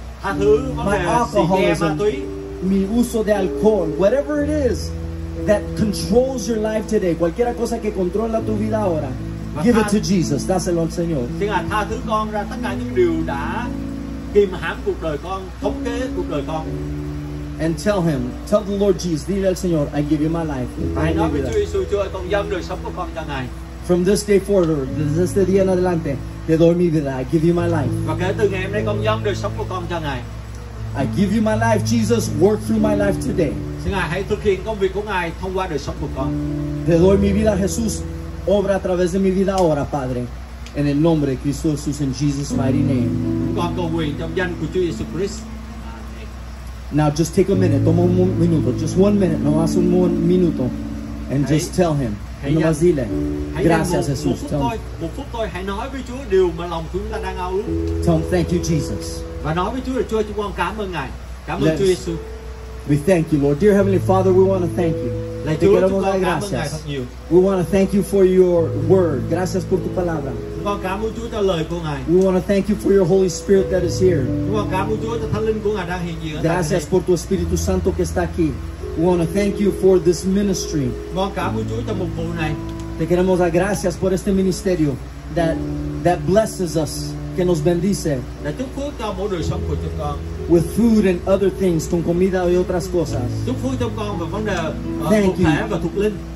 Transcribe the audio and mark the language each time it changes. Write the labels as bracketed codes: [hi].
[vi] Tha thứ vấn đề alcoholism, [es] mi uso de alcohol. [en] Whatever it is that controls your life today, [es] cualquiera cosa que controla tu vida ahora, [en] give it to Jesus. [es] Dáselo al Señor. [vi] Xin Ngài tha thứ con ra tất cả những điều đã kìm hãm cuộc đời con, thống kê cuộc đời con. [en] And tell him, tell the Lord Jesus, [es] dile al Señor, [en] I give you my life. From this day forward, [es] desde este día en adelante, te doy mi vida, [en] I give you my life. [vi] Và kể từ ngày hôm nay con dâng đời sống của con cho Ngài. [en] I give you my life, Jesus, work through my life today. [vi] Xin Ngài hãy thực hiện công việc của Ngài thông qua đời sống của con. [es] Te doy mi vida, Jesús, obra a través de mi vida ahora, Padre. En el nombre de Cristo Jesús, [en] in Jesus' mighty name. [vi] Con cầu nguyện trong danh của Chúa Jesus Christ. [en] Now just take a minute, [es] toma un minuto, [en] just 1 minute, [es] nomás un minuto, [en] and just tell him, [es] nomás dile, gracias Jesús. [vi] Một phút thôi, hãy nói với Chúa điều mà lòng chúng ta đang ao ước. [en] Tell him, thank you Jesus. [vi] Và nói với Chúa là Chúa, chúng con cảm ơn Ngài, cảm ơn Chúa Jesús. [en] We thank you Lord. Dear Heavenly Father, we want to thank you. [vi] Lạy Chúa, chúng con cảm ơn Ngài thật nhiều. [en] We want to thank you for your word. [es] Gracias por tu palabra. [vi] Con cảm ơn Chúa cho lời của Ngài. [en] We want to thank you for your Holy Spirit that is here. [vi] Con cảm ơn Chúa cho Thánh Linh của Ngài đang hiện diện. [es] Gracias por tu Espíritu Santo que está aquí. [en] We want to thank you for this ministry. [vi] Con cảm ơn Chúa cho mục vụ này. [es] Te queremos dar gracias por este ministerio [en] that blesses us, [es] que nos bendice. [vi] Là chúc phước cho mỗi đời sống của chúng con. [en] With food and other things, [es] con comida y otras cosas. [vi] Chúc phước cho con và vấn đề thuộc thể và thuộc linh.